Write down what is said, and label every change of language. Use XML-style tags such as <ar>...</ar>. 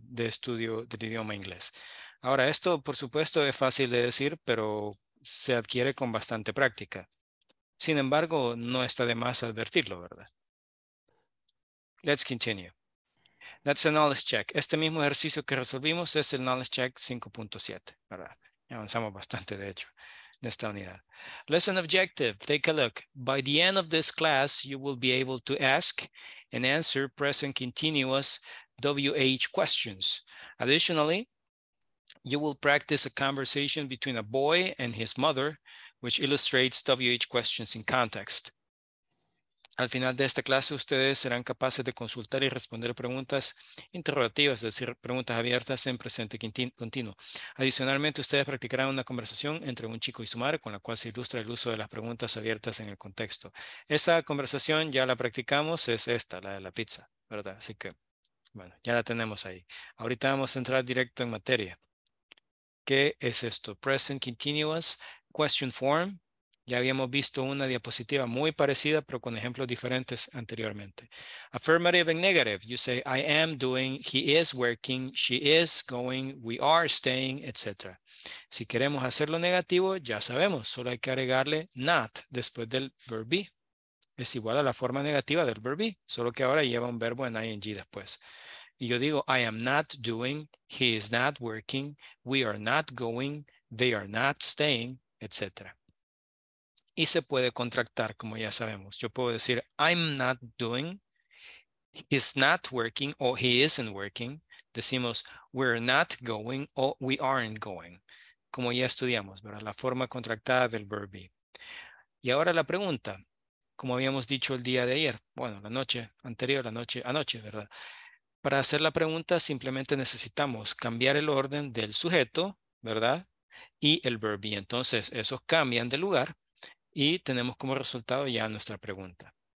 <es>De estudio del idioma inglés. Ahora, esto, por supuesto, es fácil de decir, pero se adquiere con bastante práctica. Sin embargo, no está de más advertirlo, ¿verdad?</es> <en>Let's continue. That's a knowledge check.</en> <es>Este mismo ejercicio que resolvimos es el knowledge check 5.7, ¿verdad? Avanzamos bastante, de hecho, en esta unidad.</es> <en>Lesson objective. Take a look. By the end of this class, you will be able to ask and answer present continuous WH questions. Additionally, you will practice a conversation between a boy and his mother, which illustrates WH questions in context.</en> <es>Al final de esta clase, ustedes serán capaces de consultar y responder preguntas interrogativas, es decir, preguntas abiertas en presente continuo. Adicionalmente, ustedes practicarán una conversación entre un chico y su madre, con la cual se ilustra el uso de las preguntas abiertas en el contexto. Esa conversación ya la practicamos, es esta, la de la pizza, ¿verdad? Así que, bueno, ya la tenemos ahí. Ahorita vamos a entrar directo en materia. ¿Qué es esto?</es> <en>Present Continuous Question Form.</en> <es>Ya habíamos visto una diapositiva muy parecida, pero con ejemplos diferentes anteriormente.</es> <en>Affirmative and negative. You say, I am doing, he is working, she is going, we are staying, etc.</en> <es>Si queremos hacerlo negativo, ya sabemos. Solo hay que agregarle not después del verb be. Es igual a la forma negativa del verb be, solo que ahora lleva un verbo en ing después. Y yo digo,</es> <en>I am not doing, he is not working, we are not going, they are not staying,</en> <es>etc. Y se puede contractar, como ya sabemos. Yo puedo decir,</es> <en>I'm not doing, he's not working, o he isn't working.</en> <es>Decimos,</es> <en>we're not going,</en> <es>o</es> <en>we aren't going.</en> <es>Como ya estudiamos, ¿verdad? La forma contractada del verb be. Y ahora la pregunta, como habíamos dicho el día de ayer, bueno, la noche anterior, anoche, ¿verdad? Para hacer la pregunta, simplemente necesitamos cambiar el orden del sujeto, ¿verdad? Y el verb be. Entonces, esos cambian de lugar. Y tenemos como resultado ya nuestra pregunta.</es>